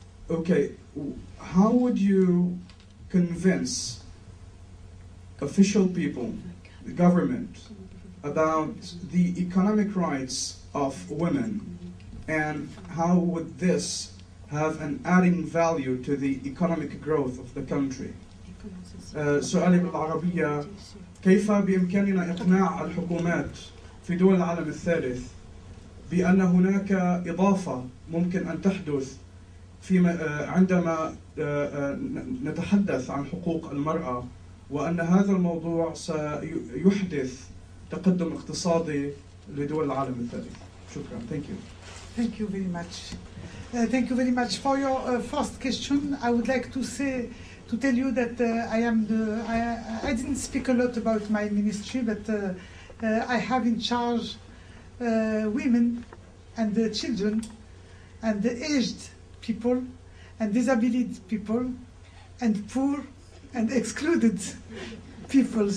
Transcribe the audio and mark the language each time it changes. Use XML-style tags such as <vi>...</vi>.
<en>Okay, how would you convince official people, the government, about the economic rights of women, and how would this have an adding value to the economic growth of the country?</en> <ar>سؤالي بالعربية كيف بإمكاننا إقناع الحكومات في دول العالم الثالث بأن هناك إضافة ممكن أن تحدث فيما عندما نتحدث عن حقوق المرأة وأن هذا الموضوع سيحدث تقدم اقتصادي لدول العالم الثالث شكرا</ar> <en>Thank you. Thank you very much. Thank you very much for your first question. I would like to say to tell you that I didn't speak a lot about my ministry, but I have in charge women and the children and the aged people and disabled people and poor and excluded people.</en>